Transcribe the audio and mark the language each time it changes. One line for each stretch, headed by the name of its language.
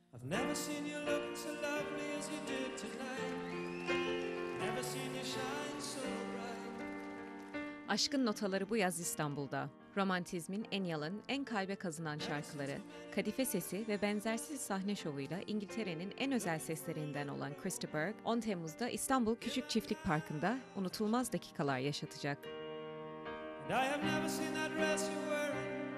English: Never seen you look so lovely as you did tonight. Never seen you shine so bright.
Turkish: Aşkın notaları bu yaz İstanbul'da. Romantizmin en yalın, en kalbe kazınan şarkıları, kadife sesi ve benzersiz sahne şovuyla İngiltere'nin en özel seslerinden olan Christy Burke, 10 Temmuz'da İstanbul Küçük Çiftlik Parkı'nda unutulmaz dakikalar yaşatacak.
English: And I have never seen that dress you're wearing.